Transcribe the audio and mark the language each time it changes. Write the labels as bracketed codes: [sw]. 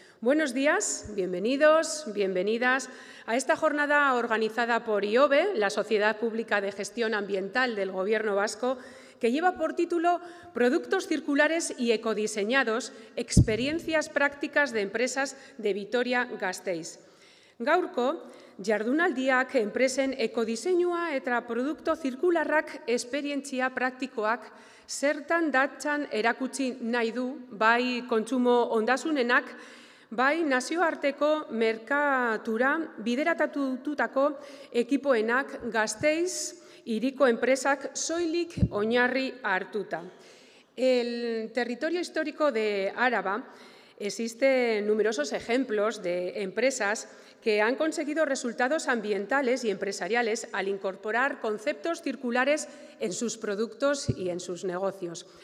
[es] Buenos días, bienvenidos, bienvenidas a esta jornada organizada por IOBE, la Sociedad Pública de Gestión Ambiental del Gobierno Vasco, que lleva por título Productos Circulares y Ecodiseñados, Experiencias Prácticas de Empresas de Vitoria-Gasteiz. [eu] Gaurko, jardunaldiak enpresen ekodiseinua eta produkto zirkularrak esperientzia praktikoak zertan datxan erakutsi nahi du, bai kontsumo ondasunenak, bai nazioarteko merkatura bideratatutako ekipoenak Gasteiz hiriko enpresak soilik oinarri hartuta. [es] El territorio histórico de Araba, existen numerosos ejemplos de empresas que han conseguido resultados ambientales y empresariales al incorporar conceptos circulares en sus productos y en sus negocios.